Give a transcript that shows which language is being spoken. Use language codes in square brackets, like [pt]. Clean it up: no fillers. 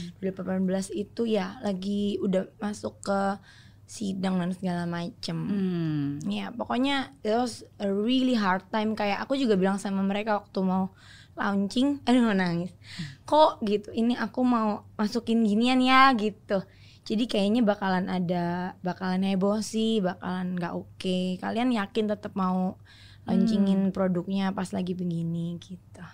[id] 2018 itu ya lagi udah masuk ke sidang dan segala macem. Ya pokoknya [en] it was a really hard time. [id] Kayak aku juga bilang sama mereka waktu mau launching, aduh nangis. Kok gitu, ini aku mau masukin ginian ya gitu. Jadi kayaknya bakalan ada, bakalan heboh sih, bakalan gak oke. Kalian yakin tetap mau launchingin produknya pas lagi begini gitu?